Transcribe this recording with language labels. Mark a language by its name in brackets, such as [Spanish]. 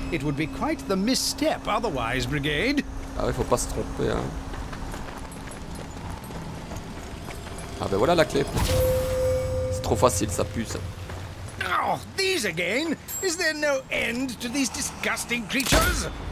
[English] It would be quite the misstep otherwise, Brigade. [French] Ah ouais, faut pas se tromper, hein. Ah ben voilà la clé. C'est trop facile, ça pue, ça. [English] Oh, these again! Is there no end to these disgusting creatures?